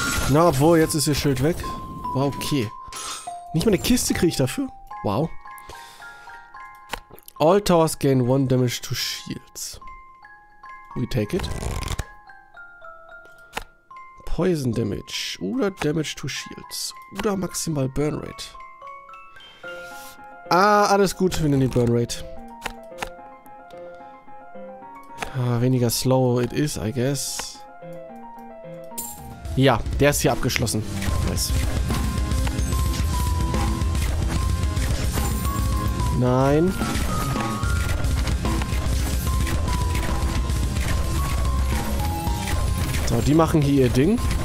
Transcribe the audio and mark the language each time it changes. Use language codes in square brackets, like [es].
[de] Na, obwohl, jetzt ist ihr Schild weg. War okay. Nicht mal eine Kiste kriege ich dafür. Wow. [en] All towers gain 1 damage to shields. We take it. Poison damage. Oder damage to shields. Oder maximal burn rate. [de] Ah, alles gut, wenn ihr die burn rate. [en] Ah, weniger slow it is, I guess. [de] Ja, der ist hier abgeschlossen. Nice. Nein. So, die machen hier ihr Ding.